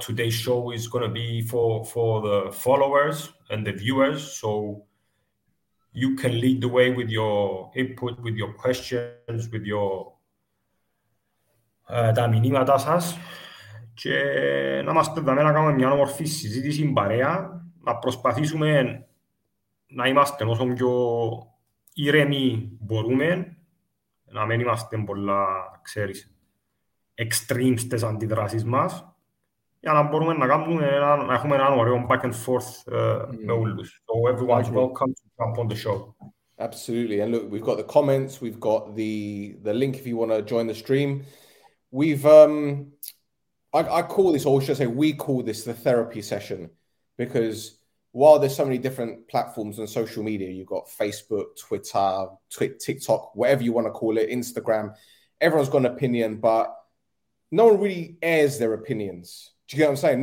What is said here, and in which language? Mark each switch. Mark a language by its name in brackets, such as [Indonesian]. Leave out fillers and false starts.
[English] Today's show is going to be for the followers and the viewers. So, you can lead the way with your input, with your questions, with your [Greek] τα μηνύματα σας. Και να μας πούμε να κάνουμε μια όμορφη συζήτηση παρέα, να προσπαθήσουμε να είμαστε όσο πιο ήρεμοι μπορούμε, να μην είμαστε πολλά, ξέρεις, extreme στις αντιδράσεις μας, για να μπορούμε να κάνουμε ένα, να έχουμε ένα ωραίο [English] back and forth [Greek] με όλους. [English] So everyone's welcome. Jump on the show. Absolutely. And look, we've got the comments, we've got the link if you want to join the stream. We've I call this, or should I say we call this, the therapy session, because while there's so many different platforms on social media, you've got Facebook, Twitter, TikTok, whatever you want to call it, Instagram, everyone's got an opinion, but no one really airs their opinions. Do you get what I'm saying?